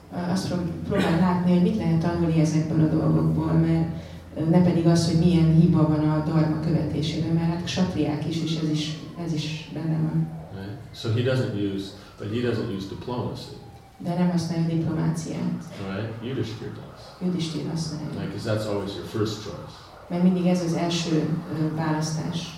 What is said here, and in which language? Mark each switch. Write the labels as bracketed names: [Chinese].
[Hungarian] Azt próbál látni, hogy mit lehet tanulni ezekből a dolgokból, mert ne pedig az, hogy milyen hiba van a Dharma követésében, mert hát Kshatriyák is, és ez is benne van. [English] So he doesn't use, but he doesn't use diplomacy. [Hungarian] De nem használja a diplomáciát. [English] Right? Yudhishthira does. [Hungarian] Yudhishthira használja. [English] Right, because that's always your first choice. [Hungarian] Mert mindig ez az első választás.